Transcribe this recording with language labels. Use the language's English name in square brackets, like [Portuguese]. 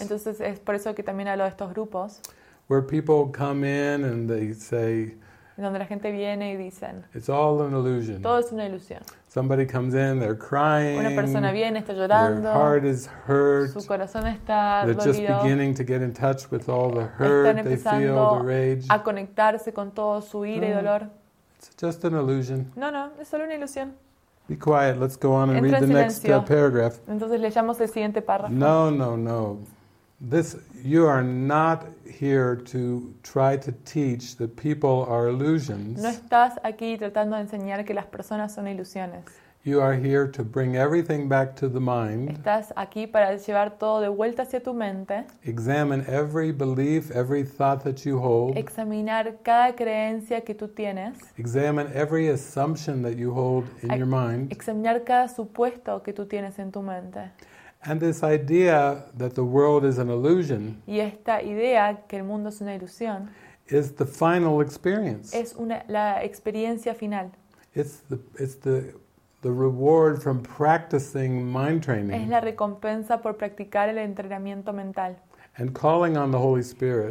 [Spanish] Entonces, es por eso que también hablo de estos grupos. [English] Where people come in and they say, [Spanish] donde la gente viene y dicen, [English] it's all an illusion. [Spanish] Todo es una ilusión. [English] Somebody comes in, they're crying. [Spanish] Una persona viene, está llorando. [English] Their heart is hurt. [Spanish] Su corazón está dolido. [English] They're just beginning to get in touch with all the hurt they feel, the rage. [Spanish] A conectarse con todo su ira y dolor. [English] It's just an illusion. [Spanish] No, no, es solo una ilusión. [English] Be quiet, let's go on and [Spanish] entra [English] read the next paragraph. [Spanish] Entonces leyamos el siguiente párrafo. [English] No, no, no. This, you are not here to try to teach that people are illusions. [Spanish] No estás aquí tratando de enseñar que las personas son ilusiones. [English] You are here to bring everything back to the mind. [Spanish] Estás aquí para llevar todo de vuelta hacia tu mente. [English] Examine every belief, every thought that you hold. [Spanish] Examinar cada creencia que tú tienes. [English] Examine every assumption that you hold in your mind. [Spanish] Examinar cada supuesto que tú tienes en tu mente. [English] And this idea that the world is an illusion, [Spanish] y esta idea que el mundo es una ilusión, [English] is the final experience. [Spanish] Es una, la experiencia final. [English] It's the reward from practicing mind training. [Spanish] Es la recompensa por practicar el entrenamiento mental. [English] And calling on the Holy Spirit.